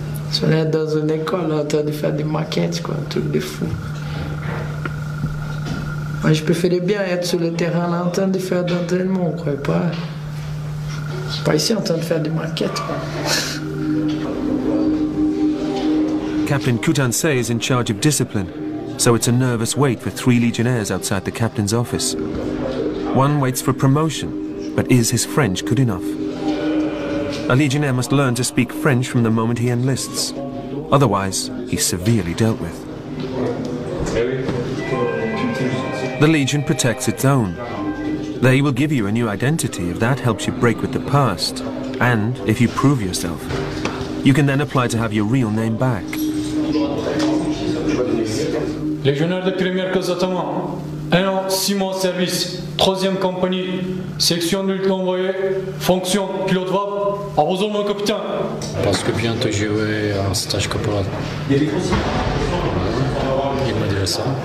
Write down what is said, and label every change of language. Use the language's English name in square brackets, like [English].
[French] Si on est dans une école en train de faire des maquettes, quoi, un truc de fou. Moi, je préférais bien être sur le terrain là, en train de faire d'entraînement, quoi, pas ici en train de faire des maquettes, quoi. [English] Captain Coutancé is in charge of discipline, so it's a nervous wait for three legionnaires outside the captain's office. One waits for promotion, but is his French good enough? A legionnaire must learn to speak French from the moment he enlists. Otherwise, he's severely dealt with. The Legion protects its own. They will give you a new identity if that helps you break with the past, and if you prove yourself. You can then apply to have your real name back. [French] Légionnaire de première classe d'attaquant, 1 an, 6 mois de service, 3e compagnie, section de lutte envoyée, fonction pilote VAP, à vos ordres, mon capitaine. Parce que bientôt je vais en stage corporal. Il m'a dit ça.